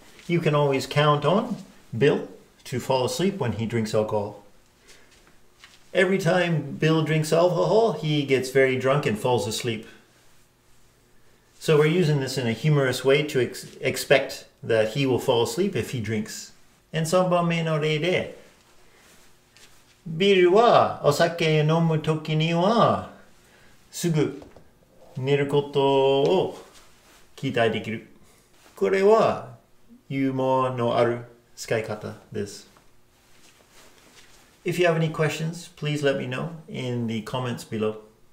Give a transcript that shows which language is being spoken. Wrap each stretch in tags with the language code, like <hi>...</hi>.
<en>You can always count on Bill to fall asleep when he drinks alcohol. Every time Bill drinks alcohol, he gets very drunk and falls asleep. So we're using this in a humorous way to expect that he will fall asleep if he drinks. And</en> <ja>3番目の例で、ビールはお酒飲むときにはすぐ寝ることを期待できる。これはユーモアのある使い方です。</ja> <en>If you have any questions, please let me know in the comments below.</en>